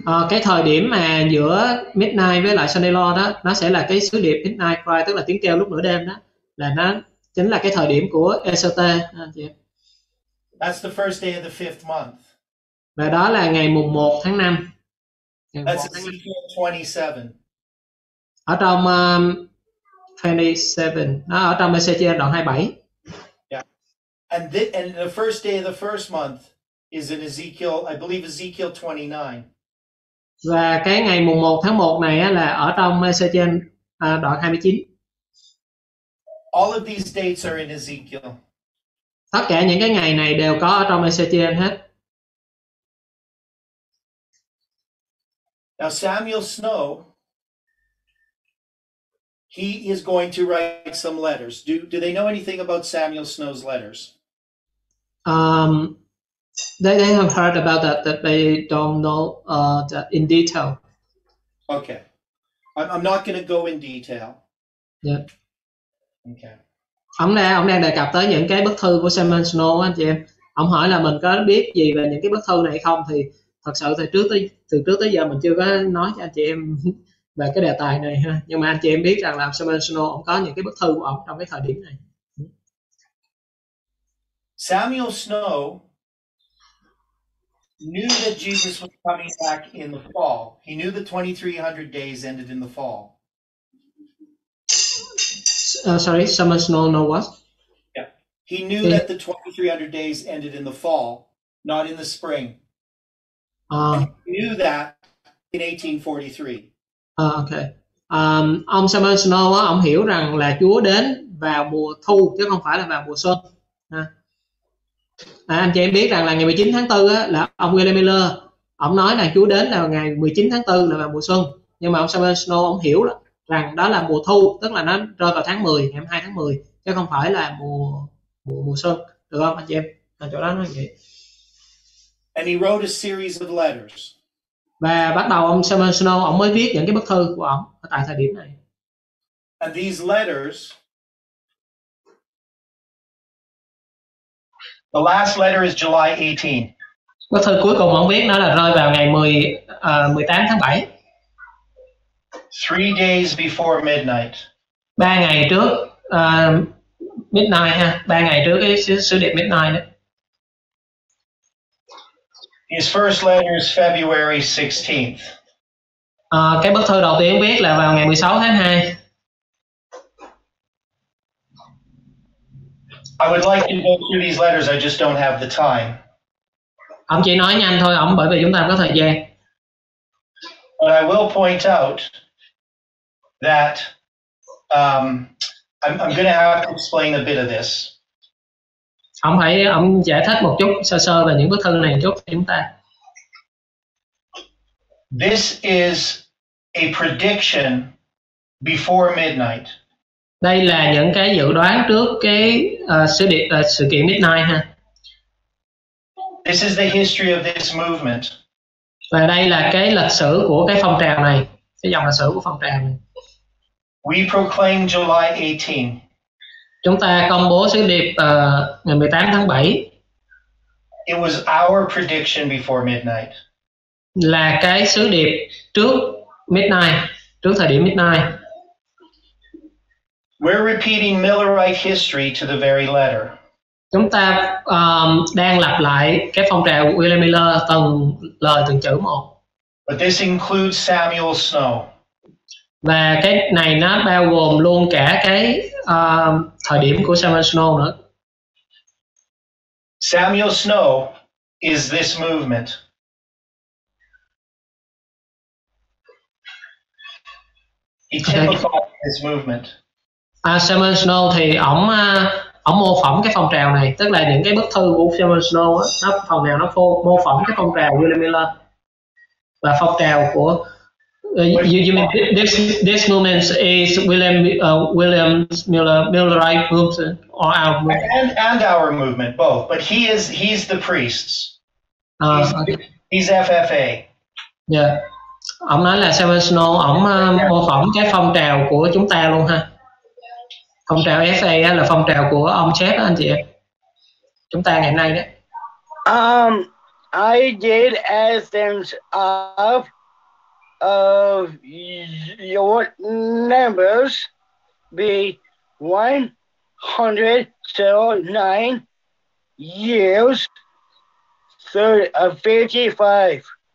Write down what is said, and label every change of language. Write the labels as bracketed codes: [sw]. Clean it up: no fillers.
[vi] Cái thời điểm mà giữa midnight với lại Sunday law đó, nó sẽ là cái sứ điệp midnight cry, tức là tiếng kêu lúc nửa đêm đó, là nó chính là cái thời điểm của EST. [en] That's the first day of the fifth month. [vi] Và đó là ngày mùng 1 tháng 5. [en] That's Ezekiel 27. [vi] Ở trong 27, ở trong Ezekiel đoạn 27. [en] Yeah. And the first day of the first month is in Ezekiel, I believe Ezekiel 29. [vi] Và cái ngày mùng 1 tháng 1 này là ở trong Ezekiel đoạn 29. [en] All of these dates are in Ezekiel. [vi] Tất cả những cái ngày này đều có ở trong Ezekiel hết. [en] Now Samuel Snow, he is going to write some letters. Do they know anything about Samuel Snow's letters? They have heard about that they don't know that in detail. Okay. I'm not going to go in detail. Yeah. Okay. [vi] Ông đang đề cập tới những cái bức thư của Simon Snow anh chị em. Ông hỏi là mình có biết gì về những cái bức thư này không, thì thật sự từ trước tới giờ mình chưa có nói cho anh chị em về cái đề tài này ha. Nhưng mà anh chị em biết rằng là Simon Snow ông có những cái bức thư của ông trong cái thời điểm này. [en] Samuel Snow knew that Jesus was coming back in the fall. He knew the 2300 days ended in the fall. Someone Snow know what? Yeah. He knew that the 2300 days ended in the fall, not in the spring. He knew that in 1843. Okay. [vi] Someone Snow, ông hiểu rằng là Chúa đến vào mùa thu, chứ không phải là vào mùa xuân. Anh chị em biết rằng là ngày 19 tháng 4 á, là ông William Miller ông nói là Chúa đến là ngày 19 tháng 4 là vào mùa xuân. Nhưng mà ông Samuel Snow ông hiểu là, rằng đó là mùa thu, tức là nó rơi vào tháng 10, ngày 22 tháng 10, chứ không phải là mùa xuân. Được không anh chị em? Ở chỗ đó nói vậy. [en] And he wrote a series of letters. [vi] Và bắt đầu ông Samuel Snow ông mới viết những cái bức thư của ông tại thời điểm này. [en] And these letters, the last letter is July 18. [vi] Bức thư cuối cùng ông viết nó là rơi vào ngày 18 tháng 7. [en] 3 days before midnight. [vi] 3 ngày trước midnight ha, 3 ngày trước cái sứ điệp midnight đó. [en] His first letter is February 16th. [vi] Cái bức thư đầu tiên viết là vào ngày 16 tháng 2. [en] I would like to go through these letters, I just don't have the time. [vi] Ông chỉ nói nhanh thôi, ông bởi vì chúng ta không có thời gian. [en] But I will point out that I'm going to have to explain a bit of this. [vi] Ông hãy ông giải thích một chút sơ sơ về những bức thư này một chút cho chúng ta. [en] This is a prediction before midnight. [vi] Đây là những cái dự đoán trước cái sự kiện midnight ha. [en] This is the history of this movement. [vi] Và đây là cái lịch sử của cái phong trào này, cái dòng lịch sử của phong trào này. [en] We proclaim July 18. [vi] Chúng ta công bố sứ điệp ngày 18 tháng 7. [en] It was our prediction before midnight. [vi] Là cái sứ điệp trước midnight, trước thời điểm midnight. [en] We're repeating Millerite history to the very letter. [vi] Chúng ta đang lặp lại cái phong trào của William Miller từng lời từng chữ một. [en] But this includes Samuel Snow. [vi] Và cái này nó bao gồm luôn cả cái thời điểm của Samuel Snow nữa. [en] Samuel Snow is this movement. He typifies this movement. [vi] Samuel Snow thì ổng mô phỏng cái phong trào này, tức là những cái bức thư của Samuel Snow đó, nó phần nào nó mô phỏng cái phong trào William Miller và phong trào của [en] this movement is William Millerite movement or our movement. And our movement both, but he's the priests. He's FFA. Yeah. [vi] Ông nói là Samuel Snow ổng mô phỏng cái phong trào của chúng ta luôn ha. Phong trào FA là phong trào của ông chép đó anh chị em. Chúng ta ngày nay đó. I did essence of your numbers be 109 years 55.